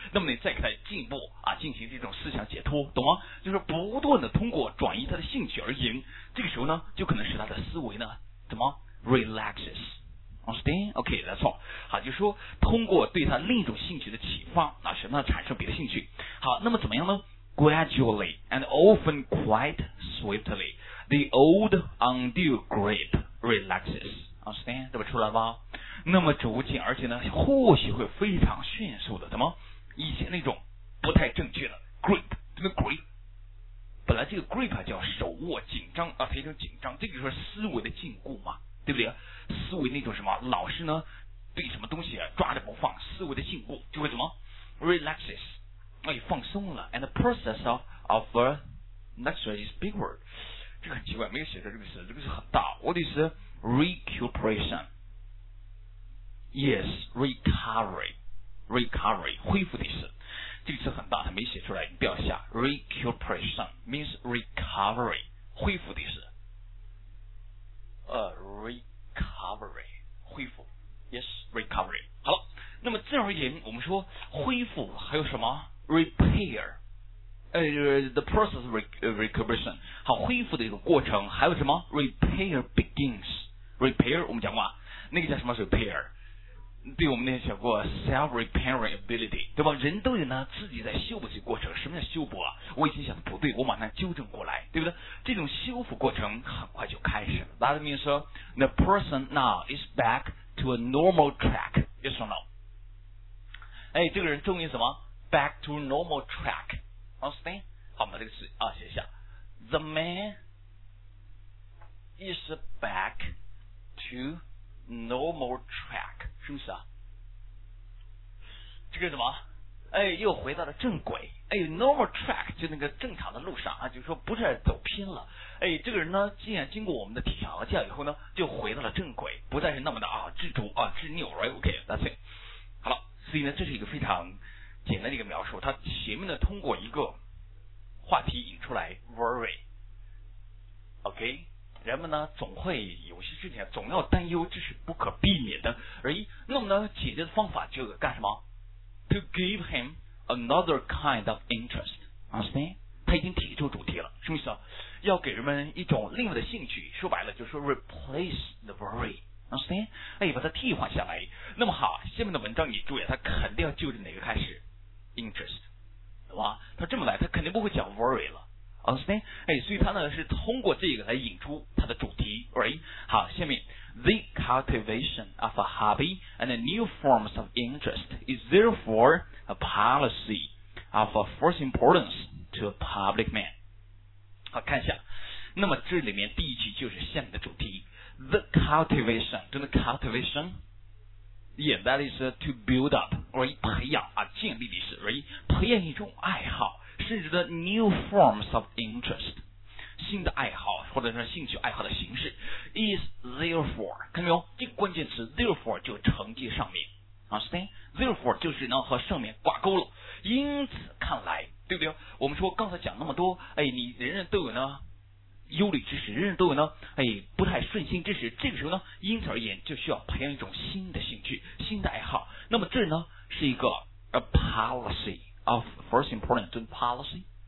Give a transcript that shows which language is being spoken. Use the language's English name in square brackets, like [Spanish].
[Chinese] 那么你再给他进一步啊，进行这种思想解脱，懂吗？就是不断的通过转移他的兴趣而赢。这个时候呢，就可能使他的思维呢怎么 [English] relaxes， understand？ OK， that's all。 [Chinese] 好，就是说通过对他另一种兴趣的启发啊，使他产生别的兴趣。好，那么怎么样呢？ [English] Gradually and often quite swiftly， the old undue grip relaxes。 understand [Chinese] 对吧？出来吧。那么逐渐，而且呢，或许会非常迅速的，怎么？以前那种不太正确的 grip， 怎么 grip？本来这个 grip 叫手握紧张啊，非常紧张，这就是思维的禁锢嘛，对不对？思维那种什么，老是呢对什么东西抓着不放，思维的禁锢就会怎么 [English] relaxes， [Chinese] 哎，放松了。 [English] And the process of a next word is big word， [Chinese] 这个很奇怪，没有写着这个词，这个是很大，我的意思。 [English] Recuperation, yes, recovery, [Chinese] 恢复的意思。这个词很大，它没写出来，你不要想。 [English] Recuperation means recovery, [Chinese] 恢复的意思。 [English] Recovery, [Chinese] 恢复 [English] ，yes, recovery。 [Chinese] 好了，那么正而言，我们说恢复还有什么 ？ [English] Repair, the process of recuperation, [Chinese] 好，恢复的一个过程还有什么 ？ [English] Repair begins. [Chinese] Repair， 我们讲过那个叫什么 repair， 对，我们那天讲过 [English] self repairing ability， [Chinese] 对吧？人都有呢自己在修补的过程。什么叫修补啊？我以前想的不对，我马上纠正过来，对不对？这种修复过程很快就开始了。 [English] That means the person now is back to a normal track， yes or no？ [Chinese] 哎，这个人终于什么 [English] back to normal track， understand？ [Chinese] 好，我们这个词啊写一下 ， [English] the man is back。 To normal track， [Chinese] 是不是啊？这个什么？哎，又回到了正轨，哎 ， [English] normal track [Chinese] 就那个正常的路上啊，就是说不是走偏了，哎，这个人呢，既然经过我们的调教以后呢，就回到了正轨，不再是那么的啊执着啊执拗 ， [English] right？ OK，、okay, that's it。 [Chinese] 好了，所以呢，这是一个非常简单的一个描述，他前面呢通过一个话题引出来 worry， [English] OK，、okay? [Chinese] 人们呢总会有些事情总要担忧，这是不可避免的而已。那么呢，解决的方法就是干什么？ [English] To give him another kind of interest, understand? [Chinese] 他已经提出主题了，什么意思啊？要给人们一种另外的兴趣，说白了就是 [English] replace the worry, understand? [Chinese] 哎，把它替换下来。那么好，下面的文章你注意，他肯定要就着哪个开始 ？ [English] Interest, [Chinese] 对吧？他这么来，他肯定不会讲 worry 了 ， [English] understand? [Chinese] 哎，所以他呢是通过这个来引出他的主题 ， [English] right? [Chinese] 好，下面。 [English] The cultivation of a hobby and new forms of interest is therefore a policy of first importance to a public man. [Chinese] 好，看一下。那么这里面第一句就是下面的主题。 [English] The cultivation, [Chinese] 真的 [English] cultivation? Yeah, that is to build up, right? [Chinese] 培养啊，建立的是 right? 培养一种爱好，甚至的 [English] new forms of interest. [Chinese] 新的爱好或者是兴趣爱好的形式 [English] is therefore [Chinese] 看到没有这个关键词 therefore 就承接上面 understand therefore 就是能和上面挂钩了因此看来对不对我们说刚才讲那么多哎，你人人都有呢忧虑之时人人都有呢哎，不太顺心之时这个时候呢因此而言就需要培养一种新的兴趣新的爱好那么这呢是一个 [English] a policy of first importance policyPolicy